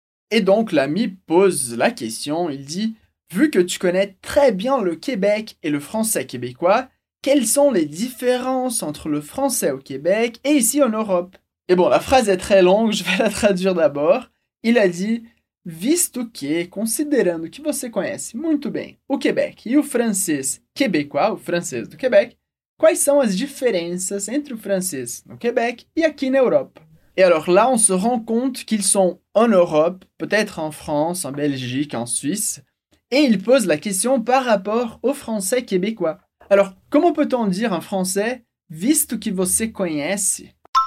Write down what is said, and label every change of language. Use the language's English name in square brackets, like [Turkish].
[French] Et donc, l'ami pose la question. Il dit « Vu que tu connais très bien le Québec et le français québécois, quelles sont les différences entre le français au Québec et ici en Europe ?» Et bon, la phrase est très longue, je vais la traduire d'abord. Il a dit [Portuguese] « Visto que, considerando que você conhece muito bem o Québec e o francês québécois, o francês do Québec, quais são as diferenças entre o francês no Québec e aqui na Europa? [French] Et alors là, on se rend compte qu'ils sont en Europe, peut-être en France, en Belgique, en Suisse, et ils posent la question par rapport au français québécois. Alors, comment peut-on dire en français « [Portuguese] visto que você conhece » ?